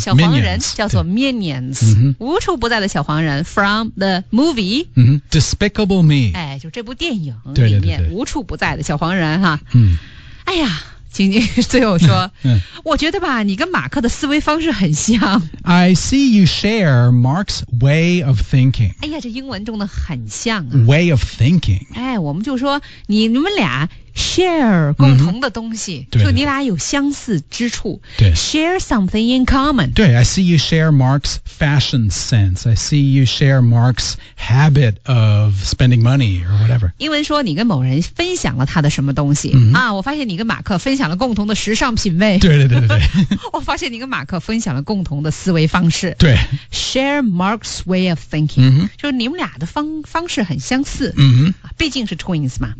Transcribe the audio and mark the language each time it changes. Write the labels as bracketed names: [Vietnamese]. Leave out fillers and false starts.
[Chinese] 小黄人 [English] minions, [Chinese] 叫做 Minions 无处不在的小黄人 [English] from the movie Despicable Me [Chinese] 哎，就这部电影里面无处不在的小黄人哈。哎呀请你最后说我觉得吧你跟马克的思维方式很像 [English] I see you share Mark's way of thinking [Chinese] 哎呀这英文中的很像、啊、 [English] way of thinking [Chinese] 哎，我们就说你们俩Share 共同的东西、mm-hmm. 就你俩有相似之处对 [English] Share something in common 对 I see you share Mark's fashion sense I see you share Mark's habit of spending money or whatever [Chinese] 英文说你跟某人分享了他的什么东西、 mm-hmm. 啊，我发现你跟马克分享了共同的时尚品味对对对对我发现你跟马克分享了共同的思维方式对 [English] Share Mark's way of thinking、 mm-hmm. [Chinese] 就是你们俩的方式很相似、 mm-hmm. 啊、毕竟是 twins 嘛